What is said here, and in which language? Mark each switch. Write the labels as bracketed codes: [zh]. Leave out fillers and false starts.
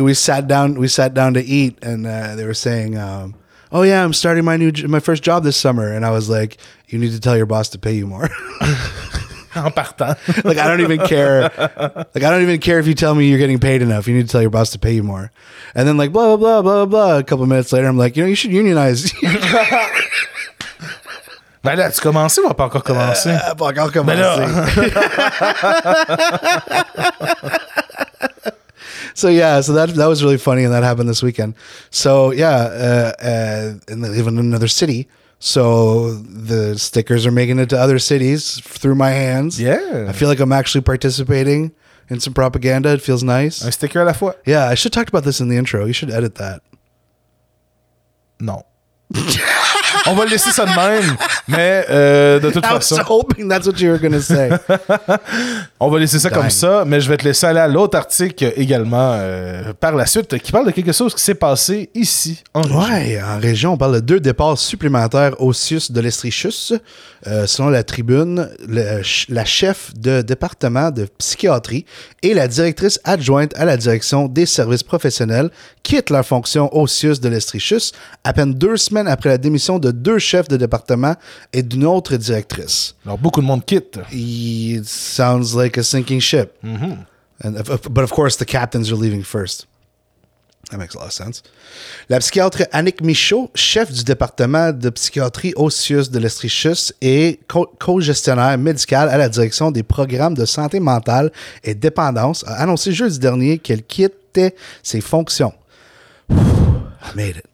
[en] We sat down to eat and they were saying, oh yeah, I'm starting my first job this summer. And I was like, you need to tell your boss to pay you more. [fr] En partant. [en] Like, I don't even care. Like, I don't even care if you tell me you're getting paid enough. You need to tell your boss to pay you more. And then, like, blah, blah, blah, blah, blah. A couple minutes later, I'm like, you know, you should unionize. [fr] Ben là, tu commences ou pas encore commencé? Pas encore commencé. Ben là. [en] So, yeah, so that was really funny, and that happened this weekend. So, yeah, and even in another city. So the stickers are making it to other cities through my hands. Yeah. I feel like I'm actually participating in some propaganda. It feels nice. [fr] Un sticker à la fois. [en] Yeah, I should talk about this in the intro. You should edit that. No. [fr] On va laisser ça de même, mais de toute façon... [en] I was hoping that's what you were going to say. [fr] On va laisser ça comme ça, mais je vais te laisser aller à l'autre article également par la suite, qui parle de quelque chose qui s'est passé ici, en région. Ouais, en région, on parle de deux départs supplémentaires au CIUSSS de l'Estrie-CIUSSS. Selon la Tribune, la chef de département de psychiatrie et la directrice adjointe à la direction des services professionnels quittent leur fonction au CIUSSS de l'Estrie-CIUSSS à peine deux semaines après la démission de deux chefs de département et d'une autre directrice. Alors, beaucoup de monde quitte. [en] It sounds like a sinking ship. Mm-hmm. But of course, the captains are leaving first. That makes a lot of sense. [fr] La psychiatre Annick Michaud, chef du département de psychiatrie au CIUSSS de l'Estrie-CIUSSS et co-gestionnaire médical à la direction des programmes de santé mentale et dépendance, a annoncé jeudi dernier qu'elle quittait ses fonctions. [en] I made it.